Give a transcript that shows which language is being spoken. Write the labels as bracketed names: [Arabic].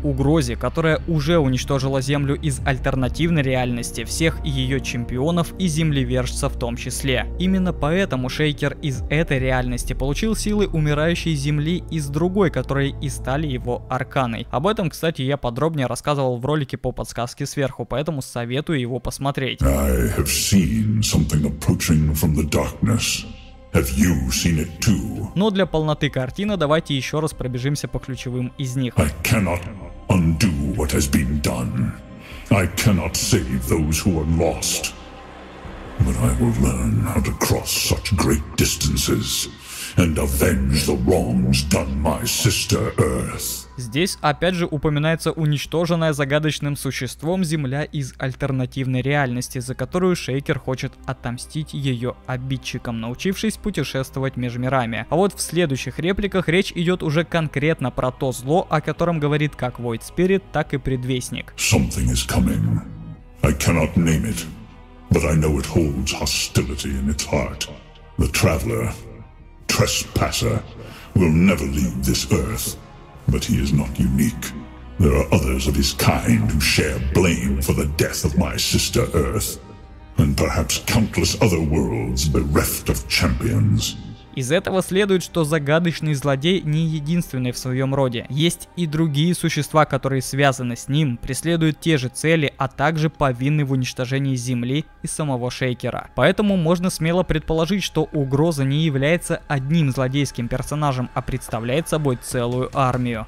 [Russian] Угрозе, которая уже уничтожила Землю из альтернативной реальности, всех ее чемпионов и землевержца в том числе. Именно поэтому Шейкер из этой реальности получил силы умирающей Земли из другой, которые и стали его Арканой. Об этом, кстати, я подробнее рассказывал в ролике по подсказке сверху, поэтому советую его посмотреть. [English] I have seen something approaching from the darkness. Have you seen it too? [Russian] Но для полноты картины давайте еще раз пробежимся по ключевым из них. [English] I cannot undo what has been done. I cannot save those who are lost. But I will learn how to cross such great distances and avenge the wrongs done my sister Earth. [Russian] Здесь опять же упоминается уничтоженная загадочным существом Земля из альтернативной реальности, за которую Шейкер хочет отомстить ее обидчикам, научившись путешествовать между мирами. А вот в следующих репликах речь идет уже конкретно про то зло, о котором говорит как Void Spirit, так и Предвестник. [English] Something is coming. I cannot name it, but I know it holds hostility in its heart. The traveler, trespasser, will never leave this earth. But he is not unique. There are others of his kind who share blame for the death of my sister Earth, and perhaps countless other worlds bereft of champions. [Russian] Из этого следует, что загадочный злодей не единственный в своем роде. Есть и другие существа, которые связаны с ним, преследуют те же цели, а также повинны в уничтожении Земли и самого Шейкера. Поэтому можно смело предположить, что угроза не является одним злодейским персонажем, а представляет собой целую армию.